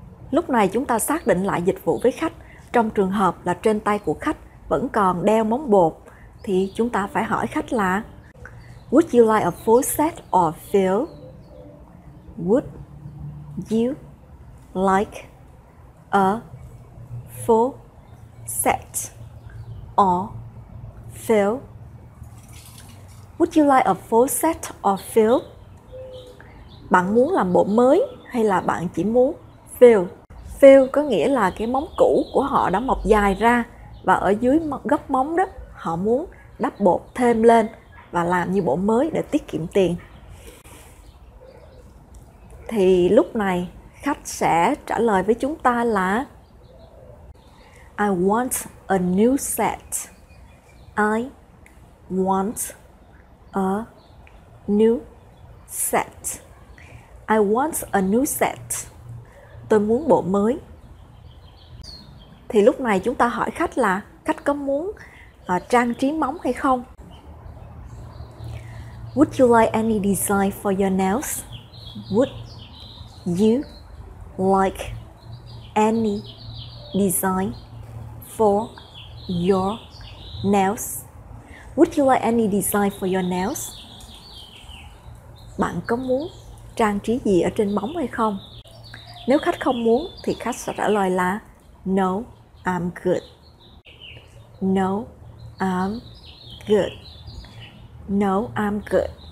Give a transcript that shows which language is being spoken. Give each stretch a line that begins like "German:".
Vietnamese: Lúc này chúng ta xác định lại dịch vụ với khách. Trong trường hợp là trên tay của khách vẫn còn đeo móng bột, thì chúng ta phải hỏi khách là
English: Would you like a full set or fill? Would you like a full set or fill? Would you like a full set or fill?
Vietnamese: Bạn muốn làm bộ mới hay là bạn chỉ muốn fill? Fill có nghĩa là cái móng cũ của họ đã mọc dài ra và ở dưới gốc móng đó họ muốn đắp bột thêm lên và làm như bộ mới để tiết kiệm tiền. Thì lúc này khách sẽ trả lời với chúng ta là
English: I want a new set. I want a new set. I want a new set.
Vietnamese: Tôi muốn bộ mới. Thì lúc này chúng ta hỏi khách là khách có muốn trang trí móng hay không?
English: Would you like any design for your nails? Would you like any design for your nails? Would you like any design for your nails?
Vietnamese: Bạn có muốn trang trí gì ở trên móng hay không? Nếu khách không muốn thì khách sẽ trả lời là
English: No, I'm good. No, I'm good. No, I'm good.